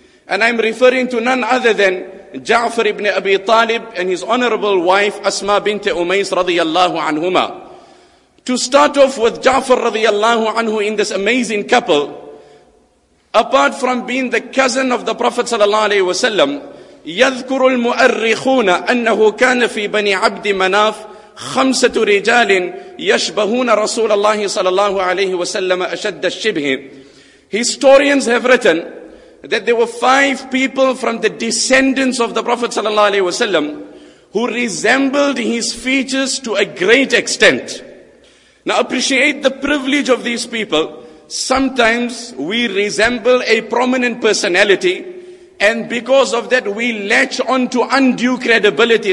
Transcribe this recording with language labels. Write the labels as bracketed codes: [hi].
[en] And I'm referring to none other than Ja'far ibn Abi Talib and his honorable wife Asma bint Umays radiyallahu anhuma. To start off with Ja'far radiyallahu anhu in this amazing couple, apart from being the cousin of the Prophet sallallahu alayhi wasallam, [ar] يذكر المؤرخون أنه كان في بني عبد مناف خمسة رجال يشبهون رسول الله صلى الله عليه وسلم أشد الشبه. [en] Historians have written that there were five people from the descendants of the Prophet صلى الله عليه وسلم who resembled his features to a great extent. Now appreciate the privilege of these people. Sometimes we resemble a prominent personality, and because of that we latch on to undue credibility.